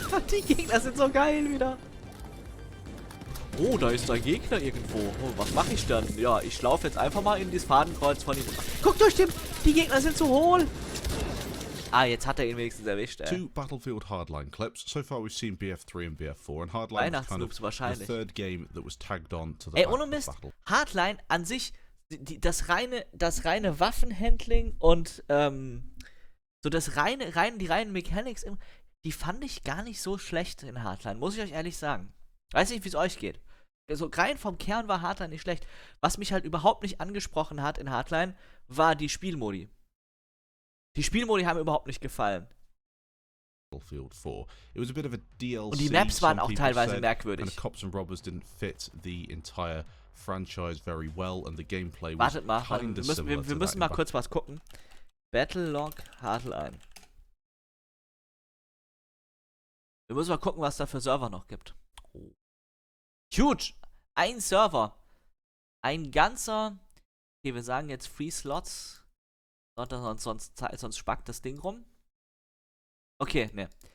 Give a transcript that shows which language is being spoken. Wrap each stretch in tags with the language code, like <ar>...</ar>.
<de>Die Gegner sind so geil wieder! Oh, da ist ein Gegner irgendwo. Oh, was mache ich denn? Ja, ich laufe jetzt einfach mal in das Fadenkreuz von ihm. Guckt euch den! Die Gegner sind so hohl! Ah, jetzt hat ihn wenigstens erwischt,</de> <en>Two Battlefield Hardline clips. So far we've seen BF3 and BF4. And Hardline is kind of the third game that was tagged on to the</en> <de>ohne Mist, battle. Hardline an sich, das reine Waffenhandling und so die reinen Mechanics, die fand ich gar nicht so schlecht in Hardline, muss ich euch ehrlich sagen. Weiß nicht, wie es euch geht. Also rein vom Kern war Hardline nicht schlecht. Was mich halt überhaupt nicht angesprochen hat in Hardline, war die Spielmodi. Die Spielmodi haben überhaupt nicht gefallen.</de> <en>Battlefield 4. It was a bit of a DLC.</en> <de>Und die Maps waren auch teilweise merkwürdig.</de> <en>Kind of Cops and Robbers didn't fit the entire franchise very well and the gameplay was kind of similar.</en> <de>Wartet mal, wir müssen mal kurz was gucken. Battlelog Hardline. Wir müssen mal gucken, was da für Server noch gibt. Huge! Ein Server. Ein ganzer. Okay, wir sagen jetzt Free Slots. Sonst spackt das Ding rum. Okay, ne.</de>